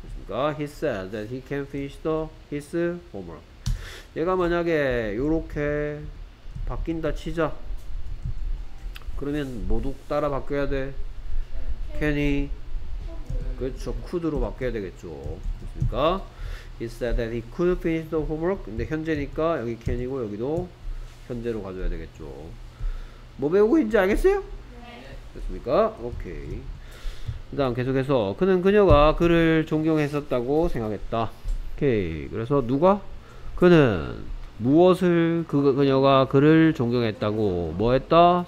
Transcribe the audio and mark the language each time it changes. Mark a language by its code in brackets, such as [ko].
[ko] 그러니까 [en] he said that he can finish the his homework. [ko] 얘가 만약에 요렇게 바뀐다 치자. 그러면 모두 따라 바뀌어야 돼. can he 그렇죠. could로 바뀌어야 되겠죠. 그러니까 [en] he said that he could finish the homework. [ko] 근데 현재니까 여기 can이고 여기도 현재로 가져야 되겠죠. 뭐 배우고 있는지 알겠어요? 됐습니까? 오케이. 그 다음 계속해서 그는 그녀가 그를 존경했었다고 생각했다. 오케이. 그래서 누가? 그는 무엇을 그녀가 그를 존경했다고 뭐 했다?